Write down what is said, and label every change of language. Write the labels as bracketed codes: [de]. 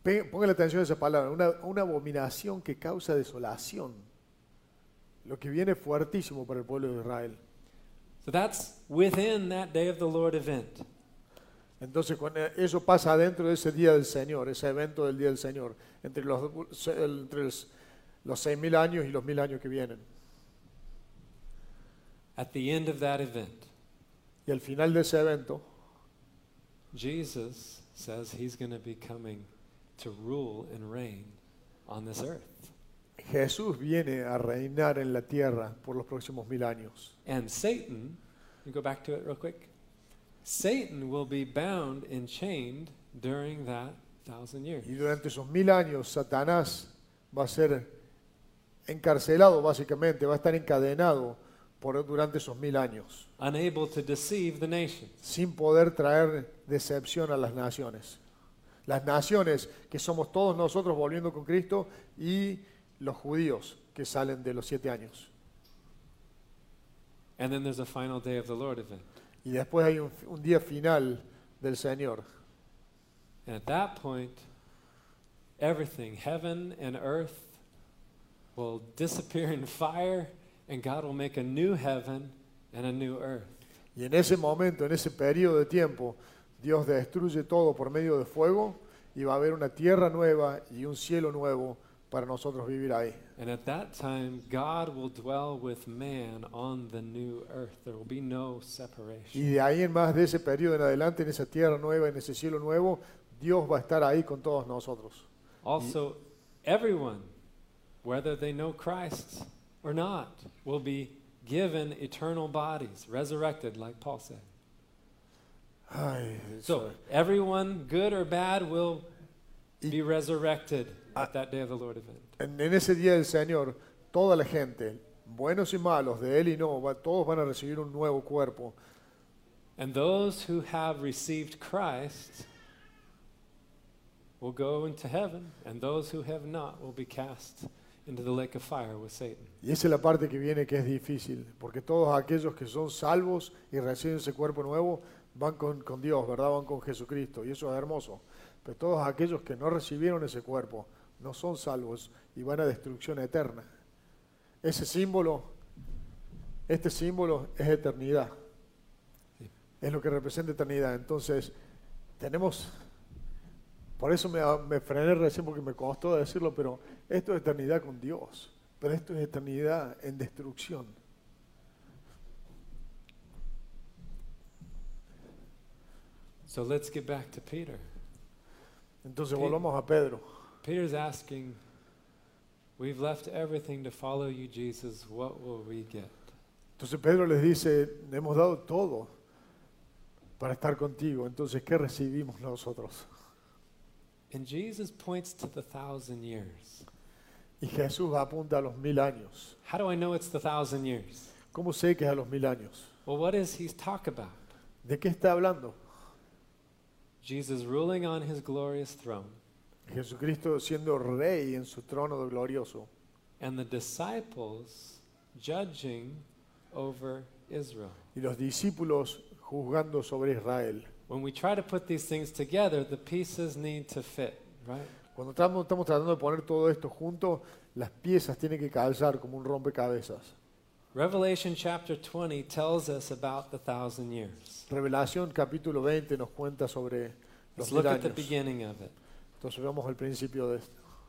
[es] Ponga la atención a esa palabra, una abominación que causa desolación. Lo que viene fuertísimo para el pueblo de Israel. [en] So that's within that day of the Lord event. [es] Entonces, eso pasa dentro de ese día del Señor, ese evento del día del Señor, entre los 6,000 años y los 1,000 años que vienen. [en] At the end of that event, [es] y al final de ese evento, [en] Jesus says he's going to be coming to rule and reign on this earth. [es] Jesús viene a reinar en la tierra por los próximos 1,000 años. [en] And Satan, you go back to it real quick. Satan will be bound and chained during that 1,000 years. [es] Y durante esos 1,000 años, Satanás va a ser encarcelado, básicamente, va a estar encadenado durante esos 1,000 años. [en] Unable to deceive the nations. [es] Sin poder traer decepción a las naciones. Las naciones que somos todos nosotros volviendo con Cristo y los judíos que salen de los 7 años. [en] And then there's a final day of the Lord event. [es] Y después hay un día final del Señor. [en] And at that point, everything, heaven and earth, will disappear in fire, and God will make a new heaven and a new earth. [es] Y en ese momento, en ese periodo de tiempo, Dios destruye todo por medio de fuego, y va a haber una tierra nueva y un cielo nuevo para nosotros vivir ahí. [en] And at that time, God will dwell with man on the new earth. There will be no separation. [es] Y de ahí en más, de ese periodo en adelante, en esa tierra nueva, en ese cielo nuevo, Dios va a estar ahí con todos nosotros. [en] Also, everyone, whether they know Christ or not, will be given eternal bodies, resurrected, like Paul said. Ay, so, everyone, good or bad, will be resurrected at that day of the Lord event. [es] En ese día del Señor, toda la gente, buenos y malos, de él y no, todos van a recibir un nuevo cuerpo. [en] And those who have received Christ will go into heaven, and those who have not will be cast into the lake of fire with Satan. [es] Y esa es la parte que viene que es difícil, porque todos aquellos que son salvos y reciben ese cuerpo nuevo van con Dios, ¿verdad? Van con Jesucristo, y eso es hermoso. Pero todos aquellos que no recibieron ese cuerpo no son salvos y van a destrucción eterna. Ese símbolo, este símbolo es eternidad. Sí. Es lo que representa eternidad. Entonces, tenemos, por eso me frené recién porque me costó decirlo, pero esto es eternidad con Dios. Pero esto es eternidad en destrucción. [en] So let's get back to Peter. [es] Entonces volvamos a Pedro. [en] Peter's asking, we've left everything to follow you, Jesus, what will we get? [es] Entonces Pedro les dice, hemos dado todo para estar contigo, entonces ¿qué recibimos nosotros? [en] And Jesus points to the 1,000 years. [es] Y Jesús apunta a los 1,000 años. [en] How do I know it's the 1,000 years? [es] ¿Cómo sé que es a los 1,000 años? [en] Well, what is he talk about? [es] ¿De qué está hablando? [en] Jesus ruling on his glorious throne. [es] Jesucristo siendo rey en su trono glorioso. [en] And the disciples judging over Israel. [es] Y los discípulos juzgando sobre Israel. [en] When we try to put these things together, the pieces need to fit, right? [es] Cuando estamos tratando de poner todo esto junto, las piezas tienen que calzar como un rompecabezas. [en] Revelation chapter 20 tells us about the 1,000 years. [es] Revelación capítulo 20 nos cuenta sobre los 1,000 años. [en] Let's look at the beginning of it. [es] Entonces vemos el principio de esto.